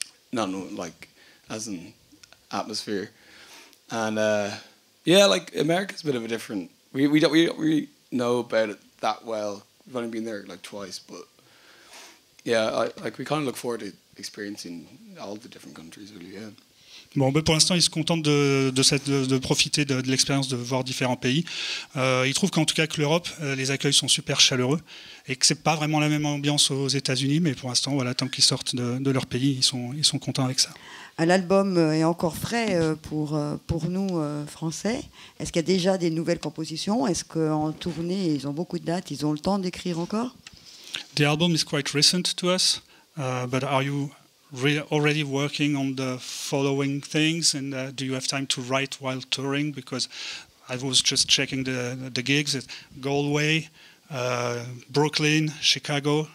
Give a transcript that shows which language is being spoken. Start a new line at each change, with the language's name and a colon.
English: Not like as an atmosphere, and yeah, like America's a bit of a different. We don't really know about it that well. We've only been there like twice, but yeah, we kind of look forward to experiencing all the different countries, really. Yeah.
French: Bon, ben pour l'instant, il se contente de profiter de l'expérience de voir différents pays. Il trouve qu'en tout cas que l'Europe, les accueils sont super chaleureux et que c'est pas vraiment la même ambiance aux États-Unis. Mais pour l'instant, voilà, tant qu'ils sortent de leur pays, ils sont contents avec ça. L'album est encore frais pour nous français. Est-ce qu'il y a déjà des nouvelles compositions? Est-ce qu'en tournée, ils ont beaucoup de dates? Ils ont le temps d'écrire encore?
English: The album is quite recent to us, but are you already working on the following things, and do you have time to write while touring? Because I was just checking the gigs at Galway, Brooklyn, Chicago.